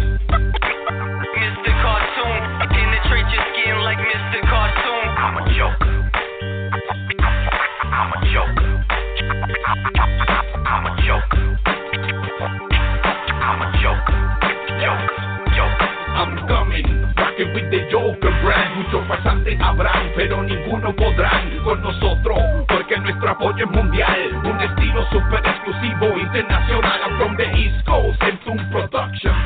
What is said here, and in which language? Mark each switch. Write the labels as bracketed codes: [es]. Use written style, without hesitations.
[en] Mr. Cartoon, penetrate your skin like Mr. Cartoon. I'm a joker. I'm a joker. I'm a joker. I'm a joker. Joker. Joker. I'm coming. Rocking with the Joker brand. [es] Muchos farsantes habrán, pero ninguno podrán con nosotros, porque nuestro apoyo es mundial. Un estilo super exclusivo, internacional. [en] I'm from the East Coast, into production.